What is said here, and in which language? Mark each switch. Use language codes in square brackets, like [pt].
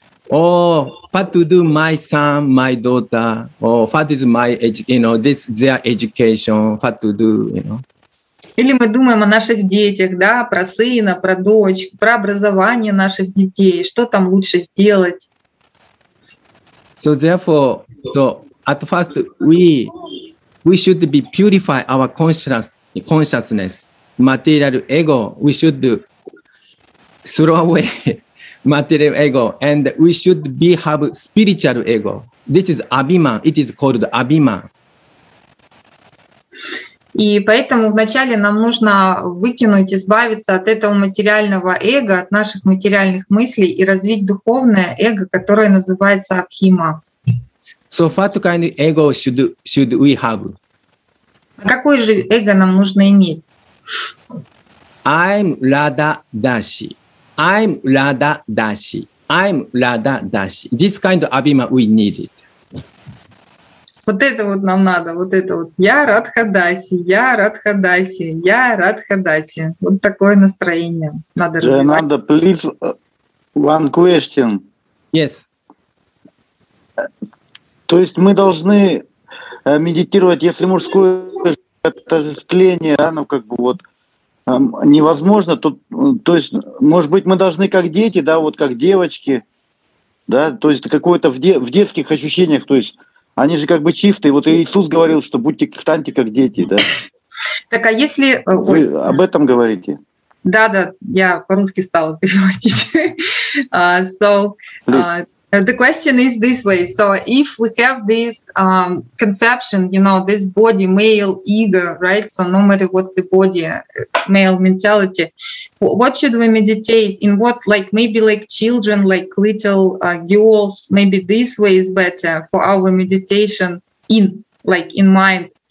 [en] Oh, what to do my son, my daughter? Oh, what is my, you know, this their education? What to do, you know? [ru] Или мы думаем о наших детях, да, про сына, про дочь, про образование наших детей. Что там лучше сделать? [en] So therefore, so at first we should be purify our consciousness, material ego. We should throw away material ego, and we should be have spiritual ego. This is abhiman. It is called abhiman. [ru] И поэтому вначале нам нужно выкинуть, избавиться от этого материального эго, от наших материальных мыслей и развить духовное эго, которое называется абхима. [en] So what kind of ego should we have? [ru] А какое же эго нам нужно иметь? [en] I'm Radha Dashi. I'm Radha Dashi. I'm Radha Dashi. This kind of abhima we needed. [ru] Вот это вот нам надо, вот это вот. Я Радха Даси, я Радха Даси, я Радха Даси. Вот такое настроение надо развивать. [en] Ананда, please, one question. Yes. [ru] То есть мы должны медитировать, если мужское отождествление, оно как бы вот невозможно, то есть, может быть, мы должны как дети, да, вот как девочки, да, то есть какое-то в детских ощущениях, то есть они же как бы чистые. Вот Иисус говорил, что будьте, станьте как дети, да? Так, а если... Вы об этом говорите? Да-да, я по-русски стала переводить. [en] The question is this way. So if we have this conception, you know, this body, male ego, right? So no matter what the body, male mentality, what should we meditate in? What, like maybe like children, like little girls, maybe this way is better for our meditation in, like in mind.